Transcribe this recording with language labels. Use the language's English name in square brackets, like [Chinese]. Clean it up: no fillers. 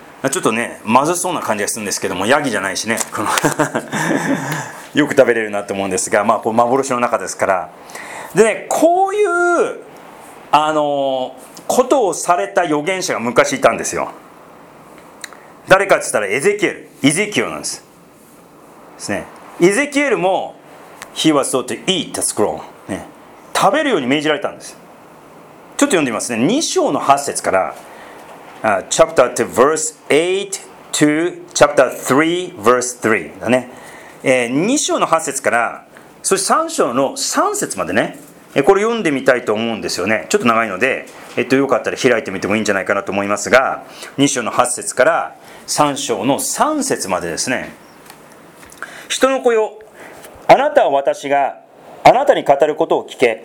[Japanese] ちょっとね、まずそうな感じがするんですけども、ヤギじゃないしね、このよく食べれるなと思うんですが、まあ、こう幻の中ですから。でね、こういうことをされた預言者が昔いたんですよ。誰かって言ったらイゼキエルなんです。ですね。イゼキエルも、 [English] He was told to eat the scroll、 [Japanese] ね。食べるように命じられたんです。ちょっと読んでみますね。 2章の8節から、 [English] chapter to verse 8 to chapter 3 verse 3だね。 [Japanese] 2章の8節から、そして3章の3節までね、これ読んでみたいと思うんですよね。ちょっと長いので、よかったら開いてみてもいいんじゃないかなと思いますが、2章の8節から3章の3節までですね。人の子よ、あなたは私が、あなたに語ることを聞け。